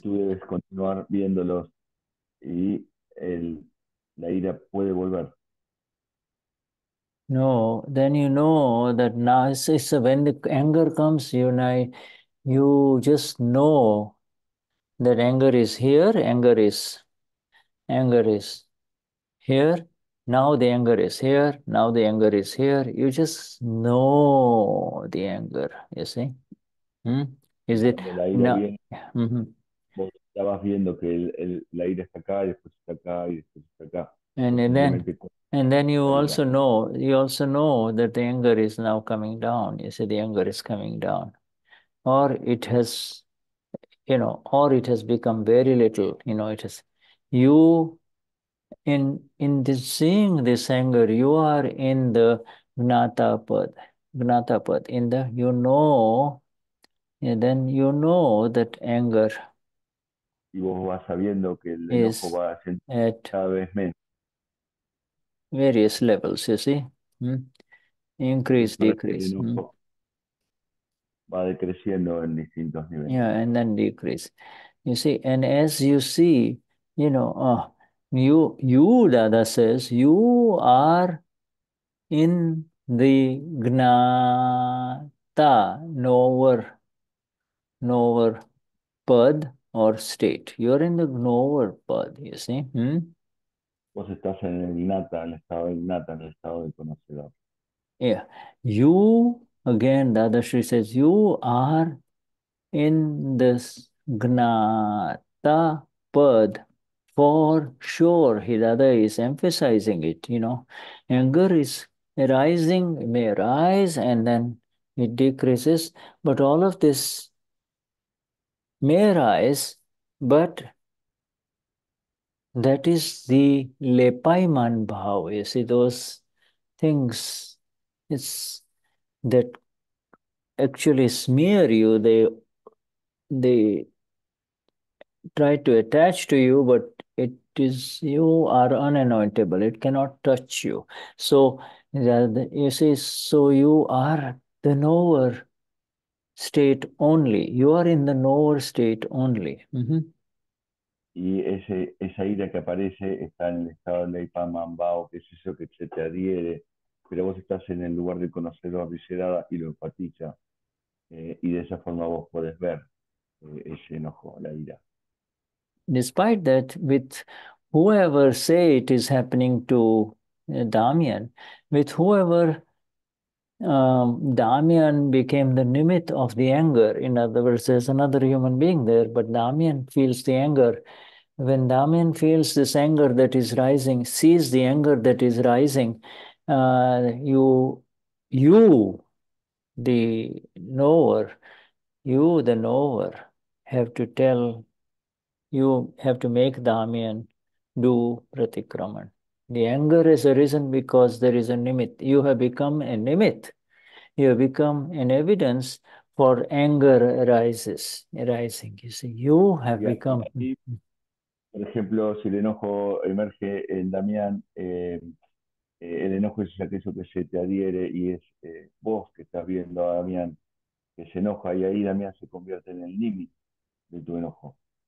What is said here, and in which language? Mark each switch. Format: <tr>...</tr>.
<es>Tú debes continuar viéndolos y la ira puede volver.</es> <en>No, then you know that now it's when the anger comes, you just know that anger is here, anger is here, now the anger is here, now the anger is here. You just know the anger, you see? Is it now?</en> <es>Estabas viendo que la ira está acá, y después está acá, y después está acá.</es> <en>And then you also know that the anger is now coming down. You say the anger is coming down. Or it has become very little. You know, it is you in this, seeing this anger, you are in the Gnatapad, in the, you know, and then you know that anger.</en> <es>y vos vas sabiendo que el enojo va a ser cada vez menos.</es> <en>Various levels, you see. Increase, decrease.</en> <es>Va decreciendo en distintos niveles.</es> <en>Yeah, and then decrease. You see, and as you see, you know, you, Dada says, you are in the gnata, knower pad or state. You're in the knower pad, you see.</en> <es>Vos estás en el gnata, en el estado de gnata, en el estado de conocedor.</es> <en>Yeah. You, again, Dada Shri says, you are in this gnata pad. For sure, Hidada is emphasizing it, you know. Anger is arising, may arise, and then it decreases. But all of this may arise, but that is the lepaiman bhav. You see, those things, it's that actually smear you, they try to attach to you, but it is, you are unanointable, it cannot touch you. So, you see, so you are the knower state only. You are in the knower state only.</en> <es>Y esa ira que aparece está en el estado de Ipamambao, que es eso que se te adhiere, pero vos estás en el lugar de conocerlo aviserada y lo enfatiza. Y de esa forma vos podés ver ese enojo, la ira.</es> <en>Despite that, with whoever say it is happening to Damian, with whoever Damian became the nimit of the anger, in other words, there's another human being there, but Damian feels the anger. When Damian feels this anger that is rising, sees the anger that is rising, you, the knower, have to tell, you have to make Damian do Pratikraman. The anger has arisen because there is a nimit. You have become a nimit. You have become an evidence for anger arising. You see, you have become.</en> <es>Por ejemplo, si el enojo emerge en Damian, el enojo es aquello que se te adhiere y es vos que estás viendo a Damian que se enoja y ahí Damian se convierte en el límite de tu enojo.</es>